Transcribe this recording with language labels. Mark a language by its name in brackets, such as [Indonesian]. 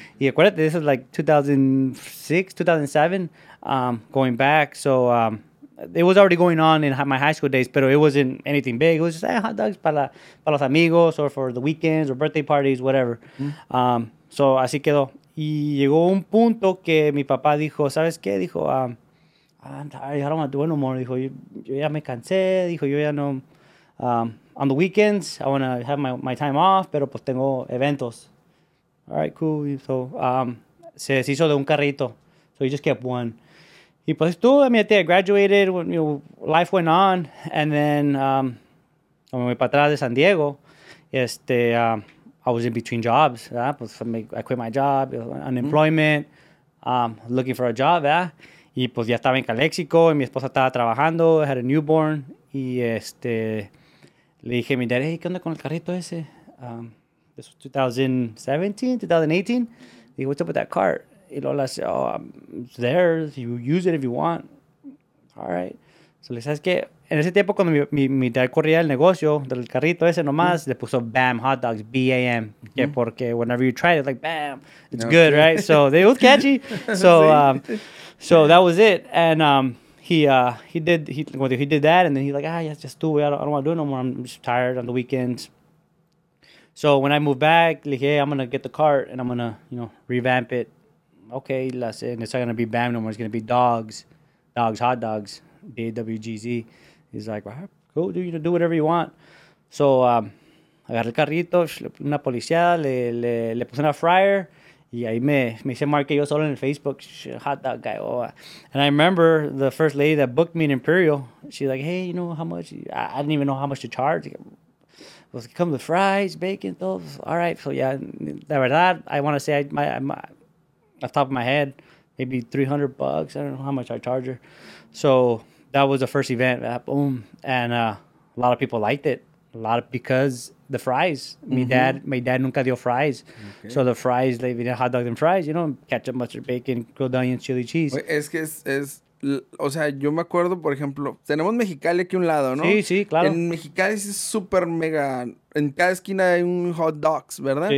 [Spanish] Y acuérdate, [English] this is like 2006, 2007, going back. So, it was already going on in my high school days, but it wasn't anything big. It was just hot dogs [Spanish] para los amigos [English] or for the weekends or birthday parties, whatever. So [Spanish] así quedó. Y llegó un punto que mi papá dijo, ¿sabes qué? Dijo, [English] I'm tired. I don't want to do it no more. [Spanish] Dijo, yo ya me cansé. Dijo, yo ya no. [English] On the weekends, I want to have my time off, [Spanish] pero pues tengo eventos. [English] All right, cool. So [Spanish] se deshizo de un carrito. [English] So he just kept one. Y pues tú, I mean, I graduated, when, you know, life went on, and then, [Spanish] como me fui para atrás de San Diego, [English] I was in between jobs, ¿verdad? Pues I quit my job, unemployment, looking for a job, ¿verdad? [Spanish] Y pues ya estaba en Calexico, y mi esposa estaba trabajando, [English] I had a newborn, [Spanish] y le dije a mi dad, hey, ¿qué onda con el carrito ese? [English] This was 2017, 2018, [Spanish] dije, [English] what's up with that car? Y Lola said, oh, it's there. You use it if you want. All right. [Spanish] So, le sabes que en ese tiempo, cuando mi dad corría el negocio del carrito ese nomás, le puso BAM hot dogs, BAM. Que porque [English] whenever you try it, it's like BAM. It's good, right? So, they were catchy. So that was it. And he did that. And then he's like, just do it. I don't want to do it no more. I'm just tired on the weekends. So, when I moved back, [Spanish] le dije, [English] hey, I'm going to get the cart and I'm going to, you know, revamp it. Okay, and it's not going to be BAM no more. It's going to be Dawgz Hot Dogs, D-A-W-G-Z. He's like, well, cool, you know, do whatever you want. [Spanish] So agarré el carrito, una policía, le puse una fryer, y ahí me hice marque yo solo en Facebook, hot dog guy. [English] Oh, and I remember the first lady that booked me in Imperial, she's like, hey, you know how much? I didn't even know how much to charge. Was it come with fries, bacon, those? All right, so yeah, [Spanish] la verdad, [English] I want to say my off the top of my head, maybe $300. I don't know how much I charge her. So that was the first event. Boom. And a lot of people liked it. A lot of, because the fries. My dad [Spanish] nunca dio [English] fries. Okay. So the fries, they like, hot dogs and fries, you know, ketchup, mustard, bacon, grilled onions, chili cheese. [Spanish] Es que o sea, yo me acuerdo, por ejemplo, tenemos Mexicali aquí a un lado, ¿no? Sí, sí, claro. En Mexicali es súper mega. En cada esquina hay un hot dogs, ¿verdad?